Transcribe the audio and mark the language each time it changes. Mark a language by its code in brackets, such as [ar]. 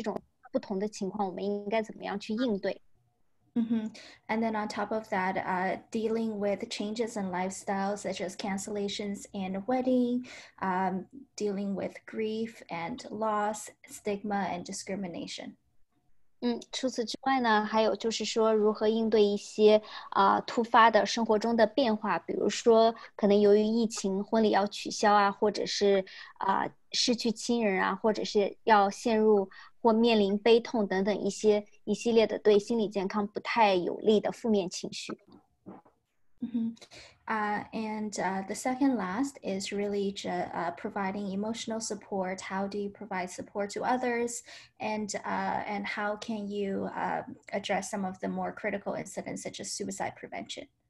[zh] 第四个方面呢，就是说主要为大家介绍了面对2019新冠肺炎时可能产生的不同情况，我们应该怎么去应对。比如说，如果家里有宝宝的话，或者有特殊需要的那种特殊需求的儿童的话，就这种不同的情况，我们应该怎么样去应对。 [en] And then on top of that, dealing with changes in lifestyle, such as cancellations and wedding, dealing with grief and loss, stigma and discrimination. [zh] 除此之外呢，还有就是说如何应对一些突发的生活中的变化，比如说可能由于疫情，婚礼要取消啊，或者是失去亲人啊，或者是要陷入 或面临悲痛等等一系列的对心理健康不太有利的负面情绪。 [en] The second last is really providing emotional support. How do you provide support to others? And how can you address some of the more critical incidents such as suicide prevention?